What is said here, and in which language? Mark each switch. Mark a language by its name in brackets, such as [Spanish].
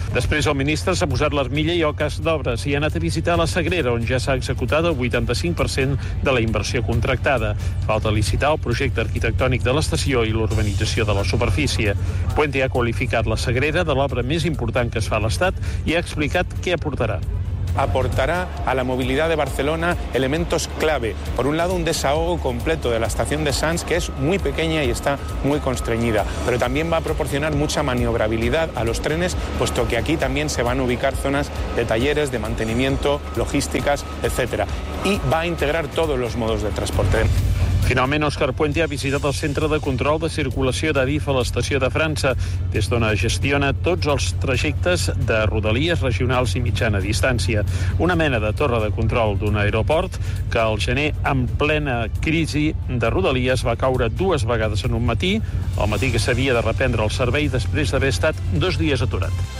[Catalan] Després el ministre s'ha posat l'armilla i el cas d'obres i ha anat a visitar la Sagrera, on ja s'ha executat el 85% de la inversió contractada. Falta licitar el projecte arquitectònic de l'estació i l'urbanització de la superfície. Puente ha qualificat la Sagrera de l'obra més important que es fa a l'Estat i ha explicat què aportarà. [Spanish] aportará a la movilidad de Barcelona elementos clave. Por un lado, un desahogo completo de la estación de Sants, que es muy pequeña y está muy constreñida, pero también va a proporcionar mucha maniobrabilidad a los trenes, puesto que aquí también se van a ubicar zonas de talleres, de mantenimiento, logísticas, etc. Y va a integrar todos los modos de transporte. [Catalan] Finalment, Òscar Puente ha visitat el centre de control de circulació d'Adif a l'estació de França, des d'on gestiona tots els trajectes de rodalies regionals i mitjana distància. Una mena de torre de control d'un aeroport que al gener, en plena crisi de rodalies, va caure dues vegades en un matí, el matí que s'havia de reprendre el servei després d'haver estat dos dies aturat.